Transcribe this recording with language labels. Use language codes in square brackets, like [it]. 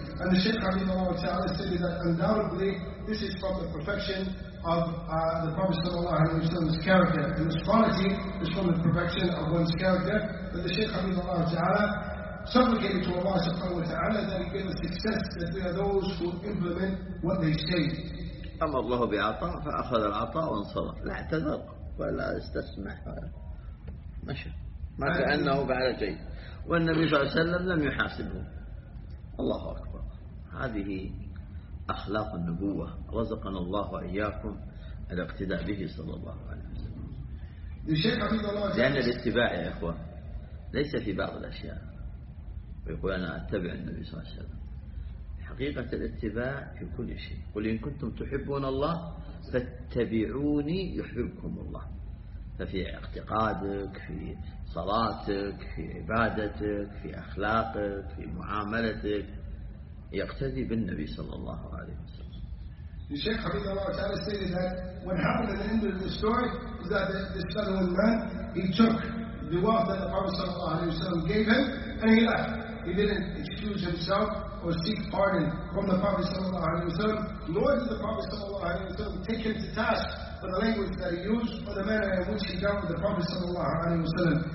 [en] And the Shaykh Habibullah Ta'ala said that undoubtedly this is from the perfection of the Prophet's character. And this quality is from the perfection of one's character. But the Shaykh Habibullah Ta'ala supplicated to Allah subhanahu wa ta'ala that he gave us success, that we are those who implement what they say. [ar] أما الله بعطاء فأخذ العطاء وانصرف لا اعتذر ولا استسمع مشى ما كأنه بعد شيء والنبي صلى الله عليه وسلم لم يحاسبه الله أكبر هذه أخلاق النبوة، رزقنا الله وإياكم الاقتداء به صلى الله عليه وسلم. لأن الاتباع يا إخوة ليس في بعض الأشياء ويقول أنا أتبع النبي صلى الله عليه وسلم، حقيقة الاتباع في كل شيء. قل إن كنتم تحبون الله فاتبعوني يحببكم الله، ففي اعتقادك، في صلاتك، في عبادتك، في أخلاقك، في معاملتك، يقتدي بالنبي صلى الله عليه وسلم. [en] The Sheikh Habib Allah Ta'ala stated that what happened at the end of the story was that this fellow man, he took the wealth that the Prophet Sallallahu Alaihi Wasallam gave him and he left. He didn't excuse himself or seek pardon from the Prophet Sallallahu Alaihi Wasallam, nor did the Prophet Sallallahu Alaihi Wasallam take him to task for the language that he used or the manner in which he dealt with the Prophet Sallallahu Alaihi Wasallam.